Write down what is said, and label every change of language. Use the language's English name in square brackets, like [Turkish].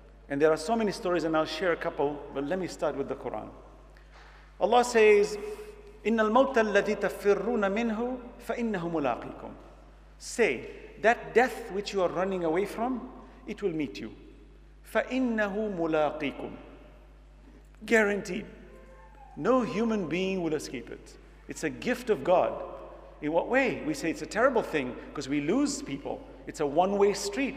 [English] And there are so many stories, and I'll share a couple, but let me start with the Quran. Allah says, [Arabic] إِنَّ الْمَوْتَ الَّذِي تَفِرُّونَ مِنْهُ فَإِنَّهُ مُلَاقِيكُمْ. [English] Say, that death which you are running away from, it will meet you. [Arabic] فَإِنَّهُ مُلَاقِيكُمْ. [English] Guaranteed. No human being will escape it. It's a gift of God. In what way? We say it's a terrible thing because we lose people. It's a one-way street.